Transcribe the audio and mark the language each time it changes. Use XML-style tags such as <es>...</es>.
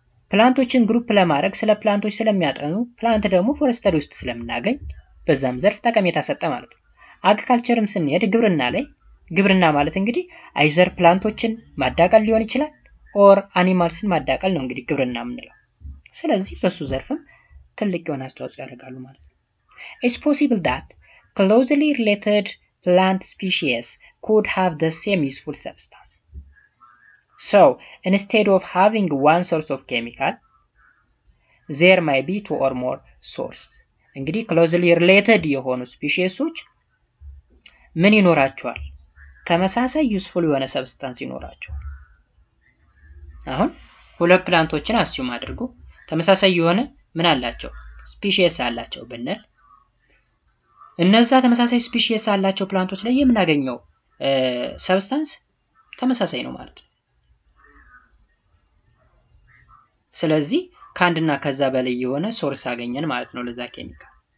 <am>ፕላንቶችን ግሩፕ ለማድረግ ስለ ፕላንቶች ስለሚያጠኑ ፕላንት ደግሞ ፎረስተሪ ውስጥ ስለምናገኝ በዛም ዘርፍ ጠቀሜታ ሰጠ ማለት ነው። አግሪካልቸርም ስንሄድ ግብርና ላይ ግብርና ማለት እንግዲህ አይዘር ፕላንቶችን ማዳቀል ሊሆን ይችላል ኦር አኒማልስን ማዳቀል ነው እንግዲህ ግብርና የምንለው። ስለዚህ በሱ ዘርፍም ትልቅ የሆነ አስተዋጽኦ ያደርጋሉ ማለት ነው።</am> <en>It's possible that closely related plant species could have the same useful substance. So, instead of having one source of chemical, there may be two or more sources.</en> <am>እንግዲህ closely related የሆኑ ስፒሺየሶች ምን ይኖራቸዋል? ተመሳሳይ useful የሆነ substance ይኖራቸዋል። አሁን ሁለት ፕላንቶችን አስዩም አድርጉ ተመሳሳይ የሆነ ምን አላቸው? ስፒሺየስ አላቸው ብንል እነዛ ተመሳሳይ ስፒሺየስ አላቸው ፕላንቶች ላይ የምናገኘው ሰብስታንስ ተመሳሳይ ነው ማለት ነው። ስለዚህ ካንድና ከዛ በላይ የሆነ ሶርስ አገኘን ማለት ነው ለዛ ኬሚካል።</am>